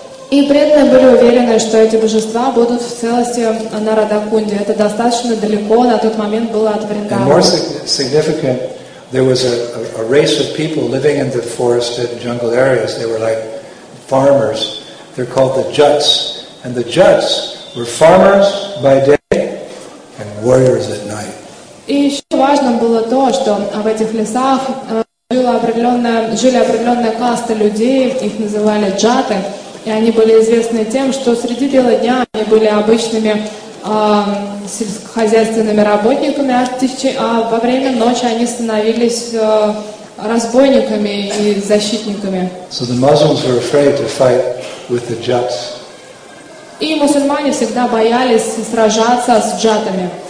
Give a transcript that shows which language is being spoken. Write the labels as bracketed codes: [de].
[ru] И преданные были уверены, что эти божества будут в целости на Радхакунде. Это достаточно далеко на тот момент было от Вриндавана. [en] And more significant, there was a race of people living in the forested jungle areas. They were like farmers. They're called the Juts. And the Juts were farmers by day, warriors at night. [ru] И еще важно было то, что в этих лесах жили определенная каста людей, их называли джаты, и они были известны тем, что среди бела дня они были обычными сельскохозяйственными работниками, а во время ночи они становились разбойниками и защитниками. [en] So the Muslims were afraid to fight with the Jats. [ru] И мусульмане всегда боялись сражаться с джатами.